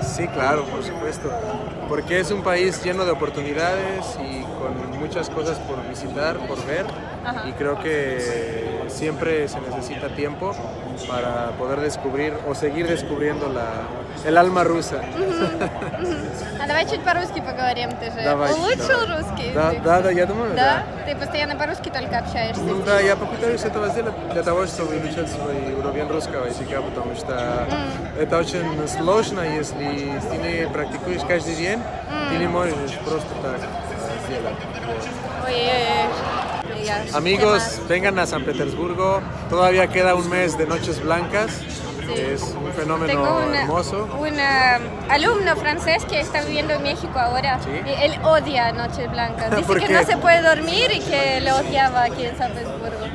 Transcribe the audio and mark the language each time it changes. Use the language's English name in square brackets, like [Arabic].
[Spanish] Sí, claro, por supuesto. Porque es un país lleno de oportunidades y con muchas cosas por visitar, por ver. Uh-huh. Y creo que siempre se necesita tiempo para poder descubrir o seguir descubriendo el alma rusa. [Russian] Давайте по-русски поговорим, ты же улучшил русский. Да, да, да, я думаю, да. Ты постоянно по-русски только общаешься. Ну да, я попытаюсь этого сделать для того, чтобы улучшать свой уровень русского языка, потому что это очень сложно, если ты не практикуешь каждый день, ты не можешь просто так сделать. Ой-ой-ой. [Spanish] Amigos, vengan a San Petersburgo. Todavía queda un mes de noches blancas. Sí. Es un fenómeno hermoso. Tengo un alumno francés que está viviendo en México ahora. ¿Sí? Y él odia noches blancas. Dice que no se puede dormir y que lo odiaba aquí en San Petersburgo.